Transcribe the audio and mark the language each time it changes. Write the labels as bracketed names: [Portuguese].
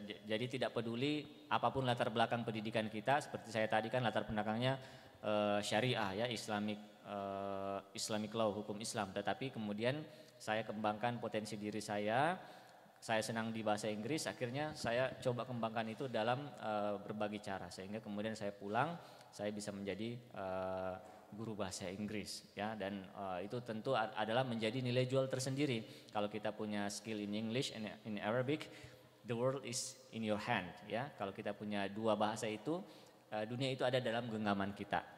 [Indonesian] Jadi tidak peduli apapun latar belakang pendidikan kita, seperti saya tadi kan latar belakangnya syariah ya, Islamic law, hukum Islam, tetapi kemudian saya kembangkan potensi diri saya senang di bahasa Inggris, akhirnya saya coba kembangkan itu dalam berbagai cara, sehingga kemudian saya pulang, saya bisa menjadi guru bahasa Inggris ya, dan itu tentu adalah menjadi nilai jual tersendiri. Kalau kita punya [English] skill in English and in Arabic, the world is in your hand ya. [Indonesian] Kalau kita punya dua bahasa itu, dunia itu ada dalam genggaman kita.